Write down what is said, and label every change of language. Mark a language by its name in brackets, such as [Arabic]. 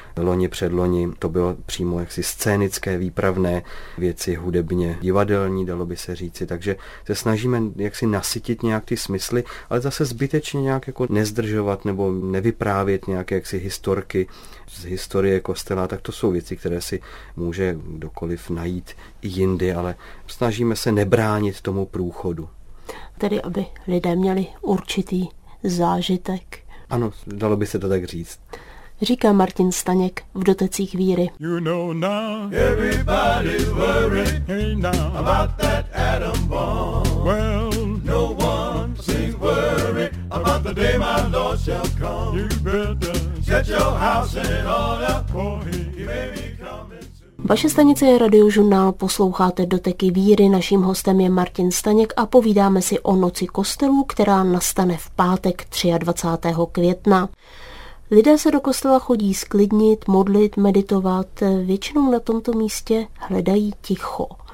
[Czech] Loni předloni to bylo přímo jaksi scénické, výpravné věci, hudebně divadelní, dalo by se říci, takže se snažíme jaksi nasytit nějak ty smysly, ale zase zbytečně nějak jako nezdržovat nebo nevyprávět nějaké jaksi historky z historie kostela, tak to jsou věci, které si může kdokoliv najít i jindy, ale snažíme se nebránit tomu průchodu. Tedy, aby lidé měli určitý zážitek. Ano, dalo by se to tak říct. Říká Martin Staněk v Dotecích víry. [English] You know now, everybody's worried, hey now, about that atom bomb. Well, no one seems worried about the day my Lord shall come. You better set your house in order, for he may be coming. [Czech] Vaše stanice je Radiožurnál, posloucháte Doteky víry, naším hostem je Martin Staněk a povídáme si o noci kostelů, která nastane v pátek 23. května. Lidé se do kostela chodí sklidnit, modlit, meditovat, většinou na tomto místě hledají ticho.